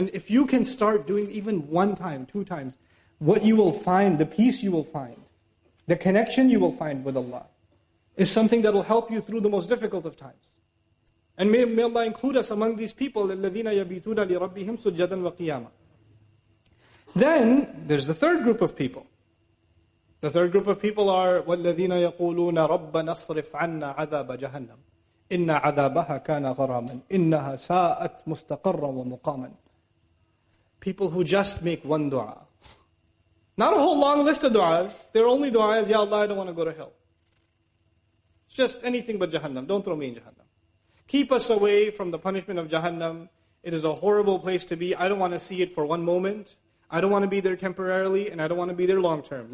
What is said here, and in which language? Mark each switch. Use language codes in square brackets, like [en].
[en] And if you can start doing even one time, two times, what you will find, the peace you will find, the connection you will find with Allah, is something that will help you through the most difficult of times. And may Allah include us among these people, [ar] الَّذِينَ يَبِيتُونَ لِرَبِّهِمْ سُجَّدًا وَقِيَامًا. [en] Then, there's the third group of people. The third group of people are [ar] وَالَّذِينَ يَقُولُونَ رَبَّنَا اصْرِفْ عَنَّا عَذَابَ جَهَنَّمْ إِنَّ عَذَابَهَا كَانَ غَرَامًا إِنَّهَا سَاءَتْ مُسْتَقَرًّا وَمُقَامًا. [en] People who just make one dua. Not a whole long list of duas. Their only dua is, Ya Allah, I don't want to go to hell. It's just anything but Jahannam. Don't throw me in Jahannam. Keep us away from the punishment of Jahannam. It is a horrible place to be. I don't want to see it for one moment. I don't want to be there temporarily, and I don't want to be there long term.